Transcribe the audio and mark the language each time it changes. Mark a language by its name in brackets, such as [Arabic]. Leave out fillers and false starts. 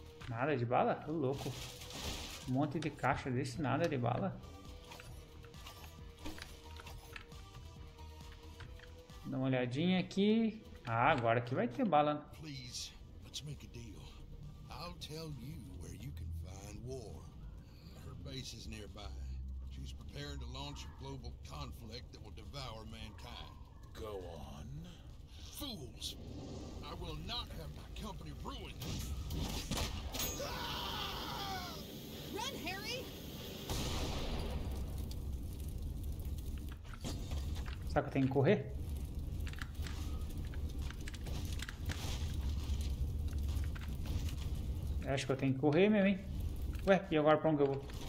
[Portuguese] Nada de bala? Tô louco. Um monte de caixa desse, nada de bala. Dá uma olhadinha aqui. Ah, agora aqui vai ter bala. [English] Please, let's make a deal. I'll tell you where you can find war. Her base is nearby. She's preparing to launch a global conflict that will devour mankind. Go on. Fools! I will not have my company ruined! Ah! Run! [Portuguese] Será que eu tenho que correr? Acho que eu tenho que correr mesmo, hein? Ué, e agora pra onde eu vou?